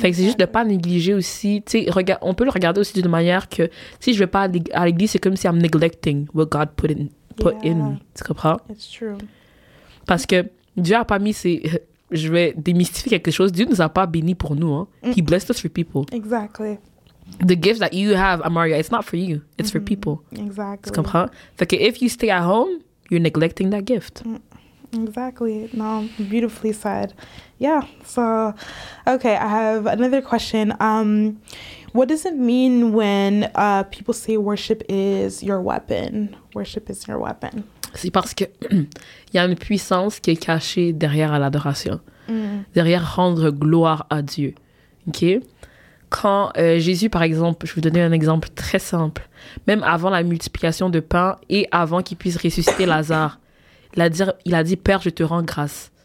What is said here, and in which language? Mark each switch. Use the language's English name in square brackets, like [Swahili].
[French] Fait que c'est juste de pas négliger aussi, tu sais, on peut le regarder aussi d'une manière que si je vais pas à l'église, c'est comme si [English] I'm neglecting what God put in me, [French] tu comprends? [English] It's true. [French] Parce que Dieu a pas mis ses, je vais démystifier quelque chose, Dieu nous a pas bénis pour nous, hein. [English] He blessed us for people. Exactly. The gift that you have, Amaria, it's not for you, it's mm-hmm. for people. Exactly. [French] Tu comprends? Fait que [English] if you stay at home, you're neglecting that gift. Mm. Exactly. No, beautifully said. Yeah. So, okay, I have another question. What does it mean when people say worship is your weapon? Worship is your weapon. [French] C'est parce que il y a une puissance qui est cachée derrière l'adoration, derrière rendre gloire à Dieu. OK? Quand Jésus, par exemple, je vais vous donner un exemple très simple, même avant la multiplication de pain et avant qu'il puisse ressusciter Lazare, Il a dit, Père, je te rends grâce.